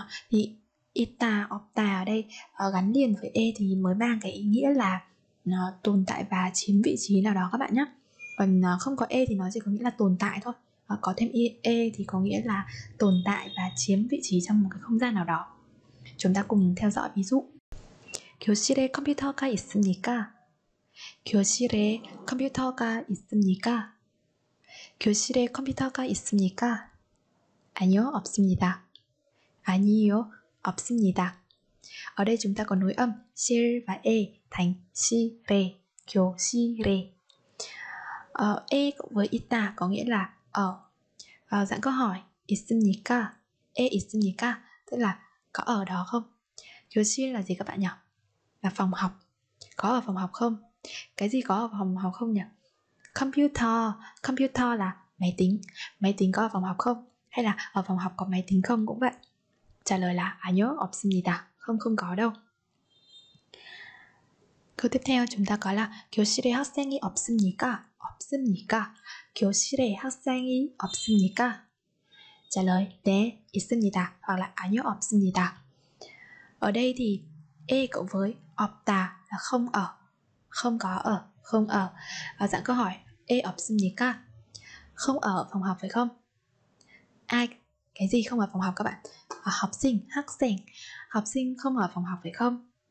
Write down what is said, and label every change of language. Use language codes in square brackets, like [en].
[vi] Thì ita, opta ở đây gắn liền với e thì mới mang cái ý nghĩa là nó tồn tại và chiếm vị trí nào đó các bạn nhé. Còn không có e thì nó chỉ có nghĩa là tồn tại thôi. Có thêm e thì có nghĩa là tồn tại và chiếm vị trí trong một cái không gian nào đó. Chúng ta cùng theo dõi ví dụ. [ko] 교실에 컴퓨터가 있습니까? 교실에 컴퓨터가 있습니까? 교실에 컴퓨터가 있습니까? 아니요, 없습니다. 아니요, 없습니다. [vi] Ở đây chúng ta có nối âm 실 và 에 thành 실에, 교실에. E cộng với 있다 có nghĩa là ở. Dạng câu hỏi 있습니까? [ko] 에 있습니까? [vi] Tức là có ở đó không? 교실 là gì các bạn nhỉ? Là phòng học. Có ở phòng học không? Cái gì có ở phòng học không nhỉ? Computer. Computer là máy tính. Máy tính có ở phòng học không? Hay là ở phòng học có máy tính không cũng vậy. Trả lời là [ko] 아니요, 없습니다. [vi] Không, không có đâu. Câu tiếp theo chúng ta có là [ko] 교실에 학생이 없습니까? 없습니까? 교실에 학생이 없습니까? 자, 러이 네, 있습니다. 아, 아니요, 없습니다. [vi] Ở đây thì e cộng với opta là không ở, không có ở, không ở. Và dạng câu hỏi e opsumnika, không ở phòng học phải không? Ai, cái gì không ở phòng học các bạn? À, học sinh, học sinh, học sinh không ở phòng học phải không?